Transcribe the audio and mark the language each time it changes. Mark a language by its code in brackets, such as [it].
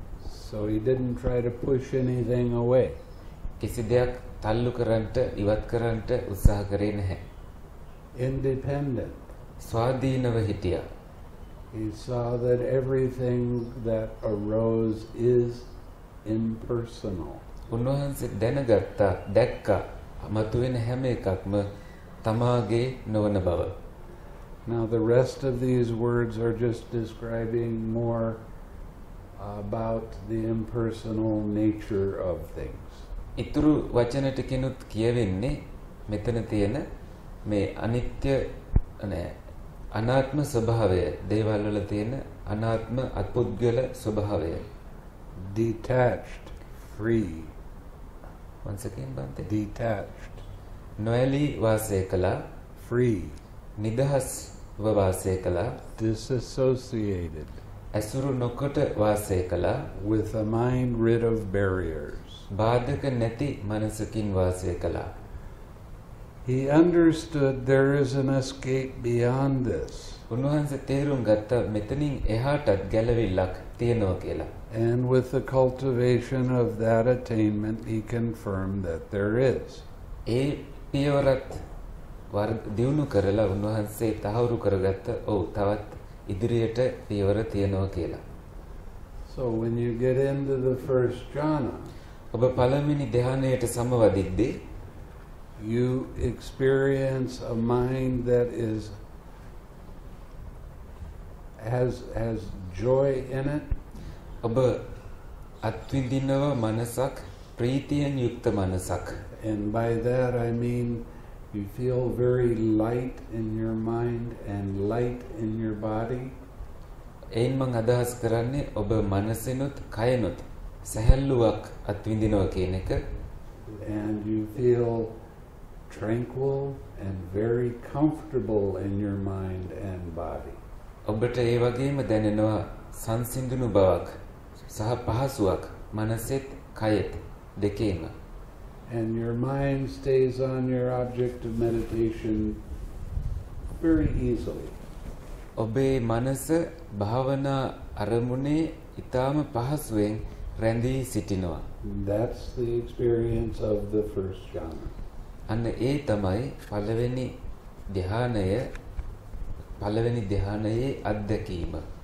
[en] So he didn't try to push anything away. [si] කිසි දෙයක් තල්ලු කරන්නට ඉවත් කරන්නට උත්සාහ කරේ නැහැ. [en] Independent. [si] ස්වාධීනව හිටියා. [en] He saw that everything that arose is impersonal. [si] උන්වහන්සේ දැනගත්තා දැක්කා මතුවෙන හැම එකක්ම තමාගේ නොවන බව. [en] Now the rest of these words are just describing more about the impersonal nature of things. [si] ඉතුරු වචන ටිකිනුත් කියවෙන්නේ මෙතන තියෙන මේ අනිත්‍ය නැ අනාත්ම ස්වභාවය දේවල් වල තියෙන අනාත්ම අත්පුද්ගල ස්වභාවය [en] detached free once again Bhante detached [si] නොඇලි වාසය කළා [en] free [si] නිදහස්ව වාසය කළා [en] disassociated [si] ඇසුරු නොකොට වාසය කළා [en] with a mind rid of barriers [si] බාධක නැති මනසකින් වාසය කළා. [en] He understood there is an escape beyond this. [si] උන්වහන්සේ තේරුම් ගත්තා මෙතනින් එහාටත් ගැලවිල්ලක් තියෙනවා කියලා. [en] And with the cultivation of that attainment, he confirmed that there is. [si] ඒ පියවරත් දියුණු කරලා උන්වහන්සේ තහවුරු කරගත්ත ඔව් තවත් ඉදිරියට පියවර තියෙනවා කියලා. [en] So when you get into the first jhana, [si] ඔබ පළවෙනි ධ්‍යානයට සමවදිද්දී [en] you experience a mind that is has joy in it [si] ඔබ අත්විඳිනව මනසක් ප්‍රීතියෙන් යුක්ත මනසක් [en] and by that I mean you feel very light in your mind and light in your body [si] එයින් මං අදහස් කරන්නේ ඔබ මනසිනුත් කයනුත් සැහැල්ලුවක් අත්විඳිනවා කියන එක [en] and you feel tranquil and very comfortable in your mind and body [si] ඔබට ඒ වගේම දැනෙනවා සංසිඳුණු බවක් සහ පහසුවක් මනසෙත් කයෙත් දෙකේම [en] and your mind stays on your object of meditation very easily [si] ඔබේ මනස භාවනා අරමුණේ ඉතාම පහසුවෙන් රැඳී සිටිනවා. [en] That's the experience of the first jhana. [si] අන්න ඒ තමයි පළවෙනි ධ්‍යානය පළවෙනි ධ්‍යානයේ අත්දැකීම.